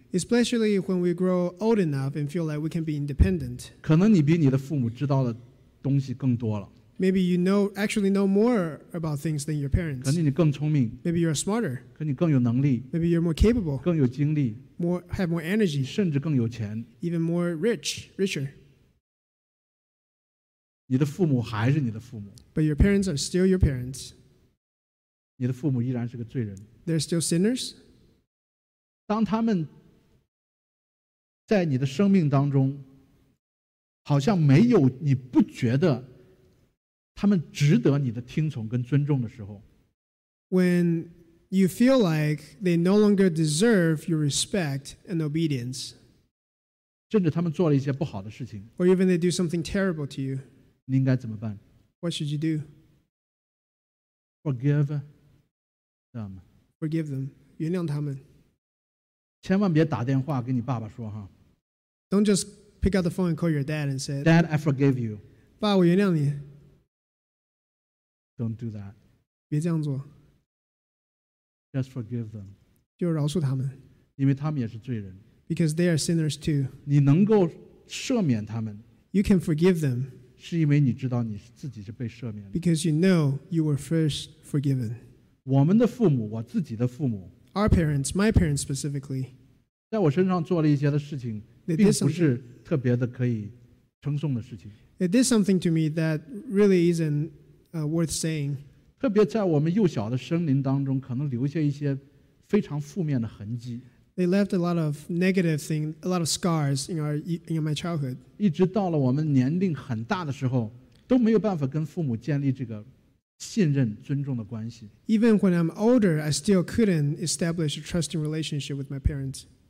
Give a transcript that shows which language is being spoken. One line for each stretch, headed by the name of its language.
English: Especially when we grow old enough and feel like we can be independent.
Chinese: 可能你比你的父母知道的东西更多了。
English: Maybe you know, actually know more about things than your parents.
Chinese: 可能你更聪明。
English: Maybe you're smarter.
Chinese: 可能你更有能力。
English: Maybe you're more capable.
Chinese: 更有精力。
English: More, have more energy.
Chinese: 甚至更有钱。
English: Even more rich, richer.
Chinese: 你的父母还是你的父母。
English: But your parents are still your parents.
Chinese: 你的父母依然是个罪人。
English: They're still sinners.
Chinese: 当他们在你的生命当中好像没有你不觉得他们值得你的听从跟尊重的时候
English: When you feel like they no longer deserve your respect and obedience
Chinese: 甚至他们做了一些不好的事情
English: Or even they do something terrible to you
Chinese: 你应该怎么办
English: What should you do? Forgive them Forgive them
Chinese: 原谅他们千万别打电话给你爸爸说哈。
English: Don't just pick up the phone and call your dad and say, Dad, I forgive you.
Chinese: 爸，我原谅你。
English: Don't do that.
Chinese: 别这样做。
English: Just forgive them.
Chinese: 就饶恕他们。因为他们也是罪人。
English: Because they are sinners too.
Chinese: 你能够赦免他们。
English: You can forgive them.
Chinese: 是因为你知道你自己是被赦免的。
English: Because you know you were first forgiven.
Chinese: 我们的父母，我自己的父母。
English: Our parents, my parents specifically.
Chinese: 在我身上做了一些的事情。并不是特别的可以称颂的事情。
English: It did something to me that really isn't worth saying.
Chinese: 特别在我们幼小的生灵当中，可能留下一些非常负面的痕迹。
English: They left a lot of negative things, a lot of scars in my childhood.
Chinese: 一直到了我们年龄很大的时候，都没有办法跟父母建立这个信任、尊重的关系。
English: Even when I'm older, I still couldn't establish a trusting relationship with my parents.